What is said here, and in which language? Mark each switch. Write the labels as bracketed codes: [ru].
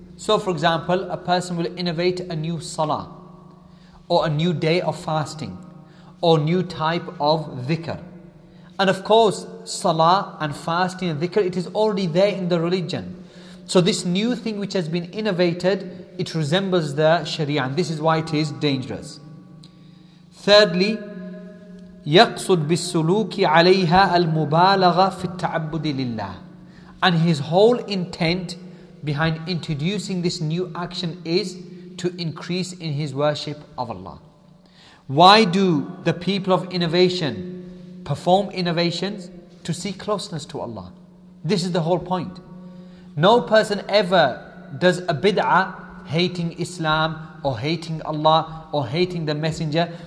[en] So for example, a person will innovate a new salah, or a new day of fasting, or new type of dhikr. And of course, salah and fasting and dhikr, it is already there in the religion. So this new thing which has been innovated, it resembles the sharia, and this is why it is dangerous. [ar] Thirdly, يقصد بالسلوك عليها المبالغة في التعبد لله. [en] And his whole intent behind introducing this new action is to increase in his worship of Allah. Why do the people of innovation perform innovations? To seek closeness to Allah. This is the whole point. No person ever does a bid'ah hating Islam or hating Allah or hating the Messenger.